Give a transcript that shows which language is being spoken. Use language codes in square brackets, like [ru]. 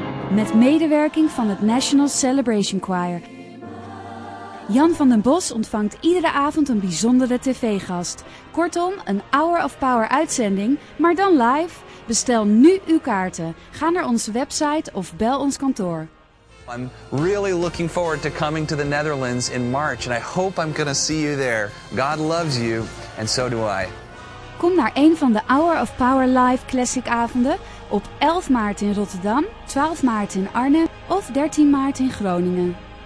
[nl] Met medewerking van het National Celebration Choir. Jan van den Bos ontvangt iedere avond een bijzondere tv-gast. Kortom, een Hour of Power uitzending, maar dan live. Bestel nu uw kaarten. Ga naar onze website of bel ons kantoor. [en] I'm really looking forward to coming to the Netherlands in March. And I hope I'm going to see you there. God loves you, and so do I. [nl] Kom naar een van de Hour of Power Live Classic avonden op 11 maart in Rotterdam, 12 maart in Arnhem of 13 maart in Groningen.